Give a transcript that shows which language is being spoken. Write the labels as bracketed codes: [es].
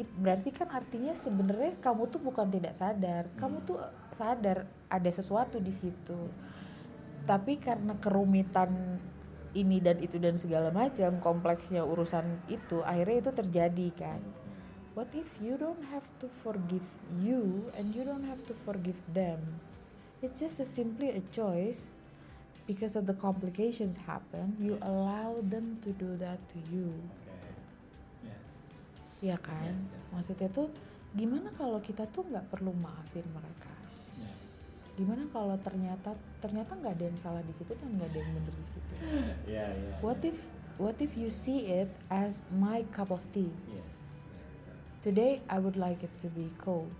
[id] berarti kan artinya sebenarnya kamu tuh bukan tidak sadar. Kamu tuh sadar ada sesuatu di situ. Tapi karena kerumitan ini dan itu dan segala macam kompleksnya urusan itu, akhirnya itu terjadi kan. [en] What if you don't have to forgive you and you don't have to forgive them? It's just a simply a choice. Because of the complications happen, you allow them to do that to you. Okay. [id] Iya kan? Maksudnya tuh gimana kalau kita tuh gak perlu maafin mereka? Gimana kalau ternyata nggak ada yang salah di situ dan nggak ada yang benar di situ? [en] Yeah. What if you see it as my cup of tea? Yes. today I would like it to be cold.